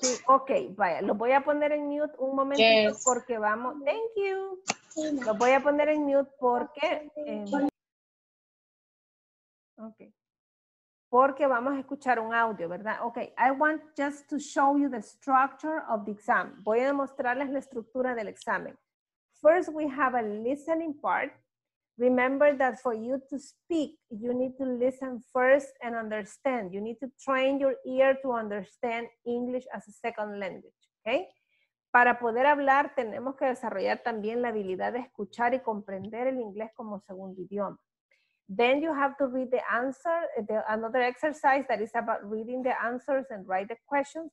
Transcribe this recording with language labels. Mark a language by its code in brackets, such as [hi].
[es] Sí, ok, vaya, lo voy a poner en mute un momentito [en] yes. [es] Porque vamos, [en] thank you. [es] Lo voy a poner en mute porque, ok, porque vamos a escuchar un audio, ¿verdad? [en] Ok, I want just to show you the structure of the exam. [es] Voy a demostrarles la estructura del examen. [en] First, we have a listening part. Remember that for you to speak, you need to listen first and understand. You need to train your ear to understand English as a second language, okay? [es] Para poder hablar, tenemos que desarrollar también la habilidad de escuchar y comprender el inglés como segundo idioma. [en] Then you have to read the answer, another exercise that is about reading the answers and write the questions.